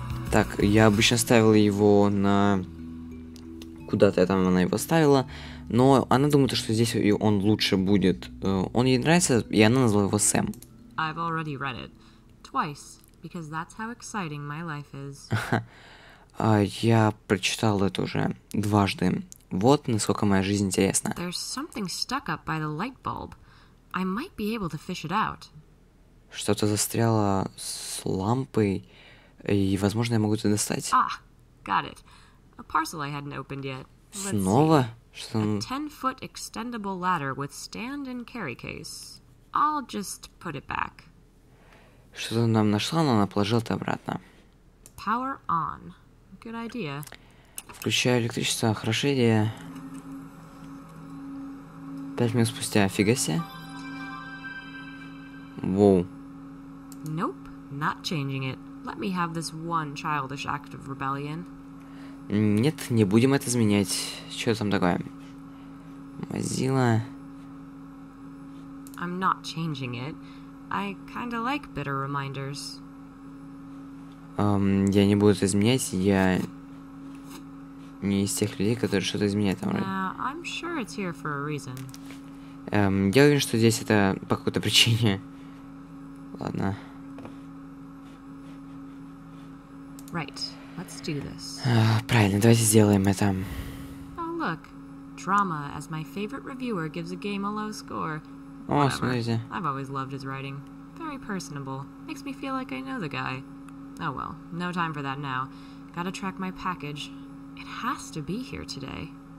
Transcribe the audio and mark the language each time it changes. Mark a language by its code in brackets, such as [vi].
[ru] Так, я обычно ставил его на... Куда-то я там она его ставила. Но она думает, что здесь он лучше будет. Он ей нравится, и она назвала его Сэм. [en] I've already read it twice, because that's how exciting my life is. [ru] Я прочитал это уже дважды. Вот насколько моя жизнь интересна. [en] There's something stuck up by the light bulb. I might be able to fish it out. [ru] Что-то застряло с лампой. И, возможно, я могу это достать. [en] Ah, got it. A parcel I hadn't opened yet. Let's [ru] Снова? [en] See. [ru] Что? [en] A 10-foot extendable ladder with stand and carry case. I'll just put it back. [ru] Что-то нам нашла, но она положила это обратно. [en] Power on. Good idea. [ru] Включаю электричество. Хорошая идея. 5 минут спустя. Офига себе. Воу. [en] Nope, not changing it. Let me have this one childish act of rebellion. [ru] Нет, не будем это изменять. Что там такое? Mozilla. [en] I'm not changing it. I kinda like bitter reminders. [ru] Я не буду это изменять, я не из тех людей, которые что-то изменяют там. [en] I'm sure it's here for a reason. [ru] Я уверен, что здесь это по какой-то причине. Ладно. [en] Right. Let's do this. [ru] Правильно, давайте сделаем это. [en] Oh, look. Drama, as my favorite reviewer gives a game a low score. [ru] О, [en] whatever. [ru] Смотрите. [en] I've always loved his writing. Very personable. Makes me feel like I know the guy. Oh, well, no time for that now. Gotta track my package. It has to be here today.